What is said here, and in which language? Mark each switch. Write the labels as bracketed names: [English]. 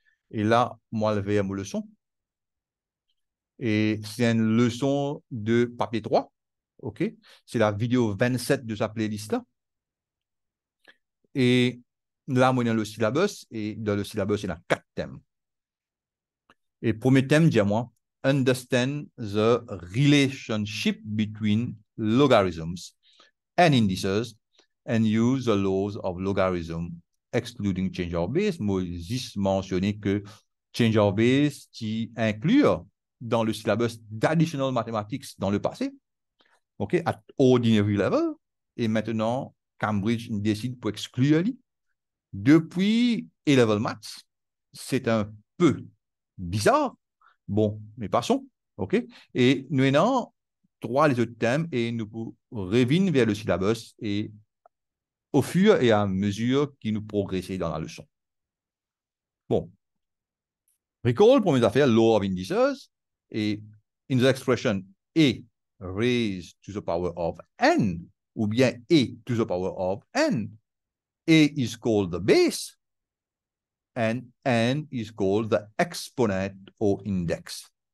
[French] Et là, moi, je vais à ma leçon. Et c'est une leçon de papier 3. Okay? C'est la vidéo 27 de sa playlist-là. Et là, on est dans le syllabus et dans le syllabus, il y a quatre thèmes. Et premier thème, dis-moi, [English] understand the relationship between logarithms and indices and use the laws of logarithm excluding change of base. [French] Moi, j'ai juste mentionné que change of base, qui inclut dans le syllabus d'additional mathematics dans le passé, OK, [English] at ordinary level. [French] Et maintenant, Cambridge décide pour exclure lui. Depuis A-Level Maths, c'est un peu bizarre. Bon, mais passons. OK? Et nous avons trois les autres thèmes et nous revenons vers le syllabus et au fur et à mesure qu'il nous progressait dans la leçon. Bon. [English] Recall, [French] première affaire, [English] law of indices. Et in the expression A raised to the power of n, [French] ou bien [English] A to the power of n, A is called the base, and n is called the exponent or index.